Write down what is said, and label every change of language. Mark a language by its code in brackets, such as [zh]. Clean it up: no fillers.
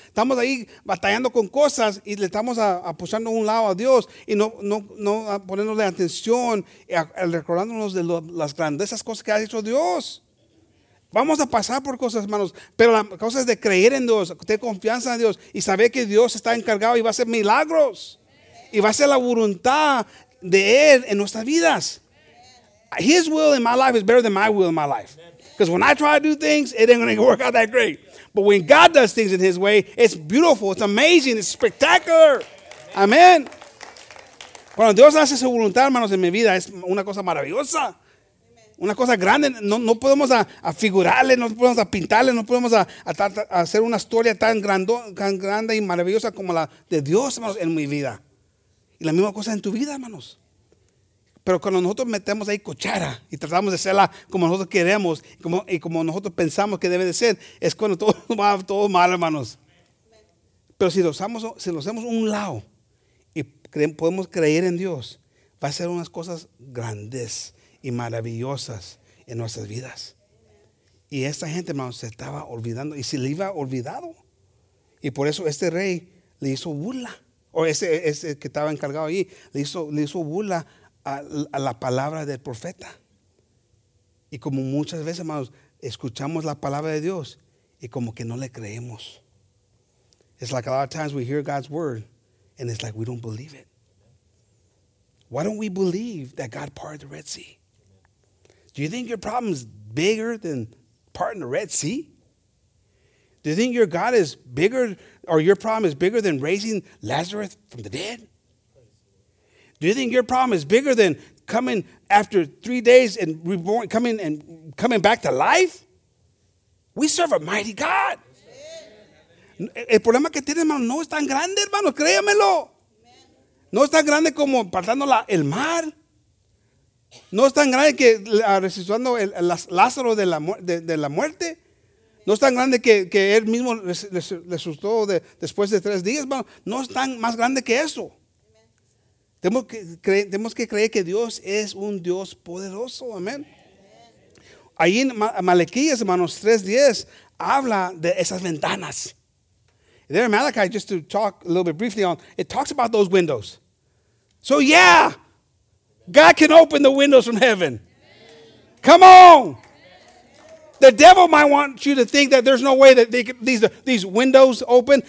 [es] Estamos ahí batallando con cosas y le estamos apuchando un lado a Dios y no poniéndole atención y recordándonos de las grandezas cosas que ha hecho Dios. Vamos a pasar por cosas, hermanos. Pero la cosa es de creer en Dios, tener confianza en Dios y saber que Dios está encargado y va a hacer milagros. Y va a ser la voluntad de Él en nuestras vidas. [en] His will in my life is better than my will in my life. Because when I try to do things, it ain't going to work out that great. But when God does things in His way, it's beautiful, it's amazing, it's spectacular. Amen. [es] Cuando Dios hace su voluntad, hermanos, en mi vida, es una cosa maravillosa. Una cosa grande. No podemos a figurarle, no podemos a pintarle, no podemos a hacer una historia tan grande y maravillosa como la de Dios, hermanos, en mi vida. Y la misma cosa en tu vida, hermanos. Pero cuando nosotros metemos ahí cuchara y tratamos de hacerla como nosotros queremos y como nosotros pensamos que debe de ser, es cuando todo va todo mal, hermanos. Pero si lo hacemos un lado y podemos creer en Dios, va a ser unas cosas grandes y maravillosas en nuestras vidas. Y esta gente, hermanos, se estaba olvidando y se le iba olvidado. Y por eso este rey le hizo burla. O ese que estaba encargado ahí, le hizo burla a la palabra del profeta. Y como muchas veces, hermanos, escuchamos la palabra de Dios y como que no le creemos. [en] It's like a lot of times we hear God's word and it's like we don't believe it. Why don't we believe that God parted the Red Sea? Do you think your problem is bigger than parting the Red Sea? Do you think your God is bigger, or your problem is bigger than raising Lazarus from the dead? Do you think your problem is bigger than coming after 3 days and reborn, coming back to life? We serve a mighty God. [es] El problema que tiene, hermano, no es tan grande, hermano, créamelo. No es tan grande como partiendo el mar. No es tan grande que resucitando el Lázaro de la muerte. No es tan grande que él mismo resucitó después de 3 días, hermano. No es tan más grande que eso. Tenemos que creer que Dios es un Dios poderoso. Amén. Ahí en Malaquías, hermanos, 3:10, habla de esas ventanas. [en] There in Malachi, just to talk a little bit briefly on, it talks about those windows. So yeah, God can open the windows from heaven. Come on. The devil might want you to think that there's no way that they could, these windows open.